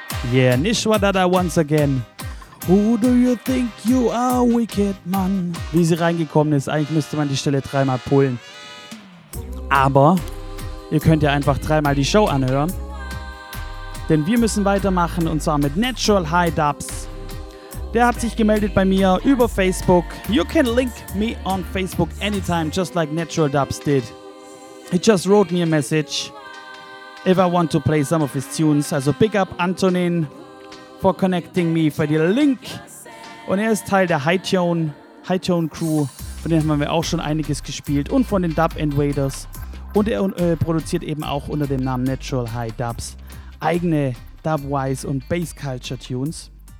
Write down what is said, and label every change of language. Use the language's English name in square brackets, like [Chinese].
[English] Yeah, Nishwa Dada once again. Who do you think you are, wicked man? [German] Wie sie reingekommen ist, eigentlich müsste man die Stelle dreimal pullen. Aber ihr könnt ja einfach dreimal die Show anhören. Denn wir müssen weitermachen und zwar mit Natural High Dubs. Der hat sich gemeldet bei mir über Facebook. [English] You can link me on Facebook anytime, just like Natural Dubs did. He just wrote me a message. If I want to play some of his tunes. Also big up Antonin for connecting me for the link. [German] Und er ist Teil der Hightone Crew. Von denen haben wir auch schon einiges gespielt. Und von den Dub Invaders. Und er produziert eben auch unter dem Namen Natural High Dubs eigene Dubwise und Bass Culture Tunes.